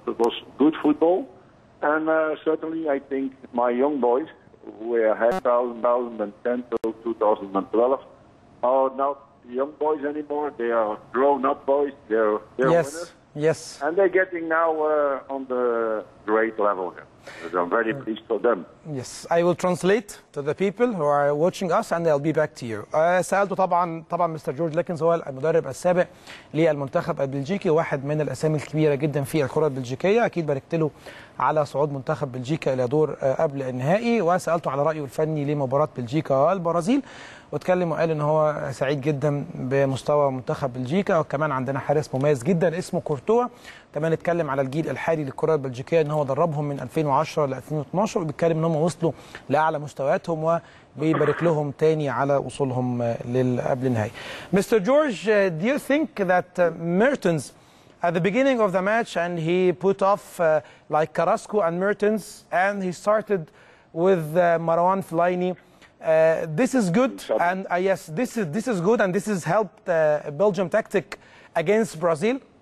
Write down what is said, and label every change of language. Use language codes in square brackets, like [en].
[en] There was good football. And certainly, I think my young boys, who were 2010 to 2012, are not young boys anymore. They are grown-up boys. They're winners. Yes. And they're getting now on the great level. I'm very pleased for them. Yes. I will translate to the people who are watching us, and I'll be back to you. [ar] سألت طبعا مستر جورج ليكنز، هو المدرب السابق للمنتخب البلجيكي، واحد من الأسامي الكبيرة جدا في الكرة البلجيكية، أكيد باركت له على صعود منتخب بلجيكا إلى دور قبل النهائي، وسألته على رأيه الفني لمباراة بلجيكا والبرازيل، واتكلم وقال إن هو سعيد جدا بمستوى منتخب بلجيكا، وكمان عندنا حارس مميز جدا اسمه كورتوا، كمان اتكلم على الجيل الحالي للكرة البلجيكية إن هو دربهم من 2010 ل 2012، وبيتكلم إن هم وصلوا لأعلى مستوياتهم وبيبارك لهم تاني على وصولهم للقبل النهائي. [en] Mister George, do you think that Mertens at the beginning of the match and he put off like Carrasco and Mertens and he started with Marouane Fellaini. This is good and yes, this is good and this has helped Belgium tactic against Brazil.